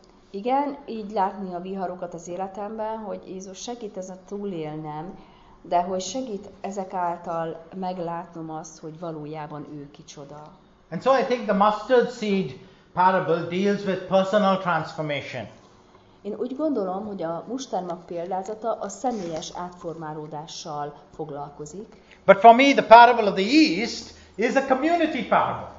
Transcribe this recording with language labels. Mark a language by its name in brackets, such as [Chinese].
[Hungarian] Igen, így látni a viharokat az életemben, hogy Jézus segít ez a túlélnem, de hogy segít ezek által meglátnom azt, hogy valójában ő kicsoda. [English] And so I think the mustard seed parable deals with personal transformation. [Hungarian] Én úgy gondolom, hogy a mustármag példázata a személyes átformálódással foglalkozik. [English] But for me the parable of the yeast is a community parable.